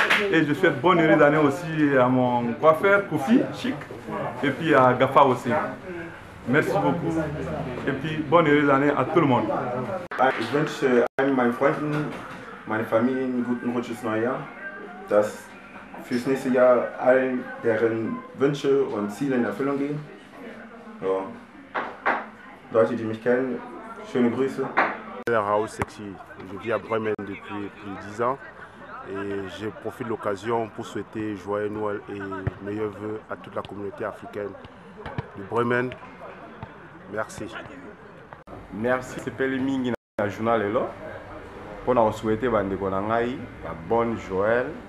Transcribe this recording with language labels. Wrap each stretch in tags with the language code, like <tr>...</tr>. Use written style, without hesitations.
<fr>Et je souhaite bonne heureuse d'année aussi à mon coiffeur Koufi Chic et puis à Gafa aussi. Merci beaucoup et puis bonne heureuse d'année à tout le monde. Je souhaite à mes frères,</fr> <de>meine Familie ein gutes Neujahr, dass fürs nächste Jahr all deren Wünsche und Ziele in Erfüllung gehen. Ja. Leute, die mich kennen, schöne Grüße. Ich bin Raoul Sexy,</de> <fr>je vis à Bremen depuis plus de 10 ans et je profite de l'occasion pour souhaiter joyeux Noël et meilleurs vœux à toute la communauté africaine de Bremen. Merci. Merci, c'est Pelle Mingi dans le journal Elo. On a souhaité à Ndekonangaï la bonne Joël.</fr>